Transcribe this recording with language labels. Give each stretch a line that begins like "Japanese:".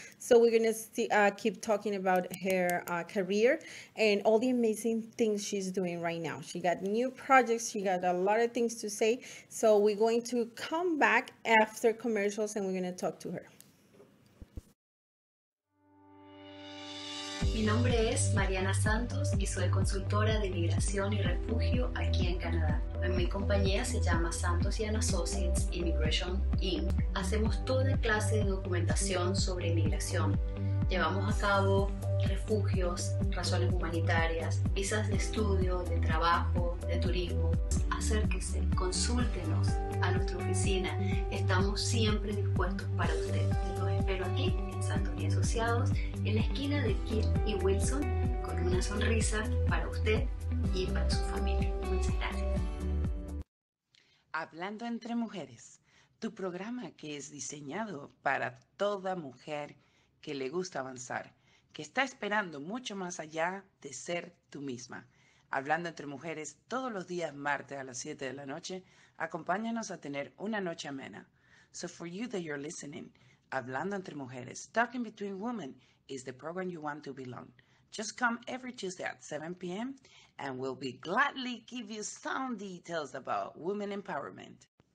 English: So we're going to keep talking about her career and all the amazing things she's doing right now. She got new projects. She got a lot of things to say. So we're going to come back after commercials and we're going to talk to her.
Spanish: Mi nombre es Mariana Santos y soy consultora de migración y refugio aquí en Canadá. Mi compañía se llama Santos & Associates Immigration Inc. Hacemos toda clase de documentación sobre migración. Llevamos a cabo refugios, razones humanitarias, visas de estudio, de trabajo, de turismo. Acérquese, consúltenos a nuestra oficina. Estamos siempre dispuestos para usted. Pero aquí, en Santos y Asociados, en la esquina de Kirk y Wilson, con una sonrisa para usted y para su familia. Muchas gracias. Hablando entre mujeres, tu programa que es diseñado para toda mujer que le gusta avanzar, que está esperando mucho más allá de ser tú misma. Hablando entre mujeres, todos los días martes a las 7 de la noche, acompáñanos a tener una noche amena.
English: So for you that you're listening, Hablando Entre Mujeres, Talking Between Women is the program you want to belong. Just come every Tuesday at 7 p.m. and we'll be gladly give you some details about women empowerment.